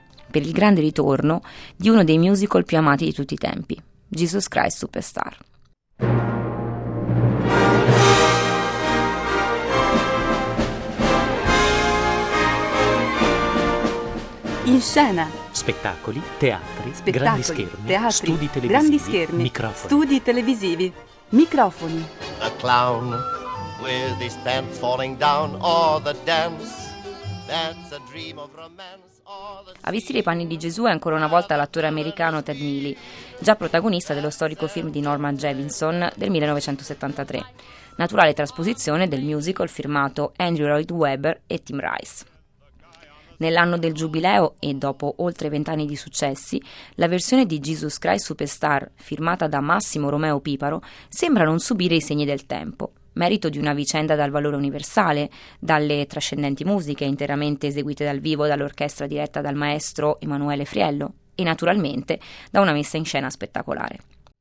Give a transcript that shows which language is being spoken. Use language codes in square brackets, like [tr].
[it] Per il grande ritorno di uno dei musical più amati di tutti i tempi, Jesus Christ Superstar. In scena. Spettacoli, teatri, spettacoli, grandi schermi, teatri, studi televisivi, grandi schermi, microfoni. Studi televisivi, microfoni. [en] The clown with his pants falling down, or the dance, that's a dream of romance. [it] A vestire i panni di Gesù è ancora una volta l'attore americano Ted Neely, già protagonista dello storico film di Norman Jevonson del 1973, naturale trasposizione del musical firmato Andrew Lloyd Webber e Tim Rice. Nell'anno del giubileo e dopo oltre 20 anni di successi, la versione di Jesus Christ Superstar, firmata da Massimo Romeo Piparo, sembra non subire i segni del tempo, merito di una vicenda dal valore universale, dalle trascendenti musiche interamente eseguite dal vivo dall'orchestra diretta dal maestro Emanuele Friello e naturalmente da una messa in scena spettacolare.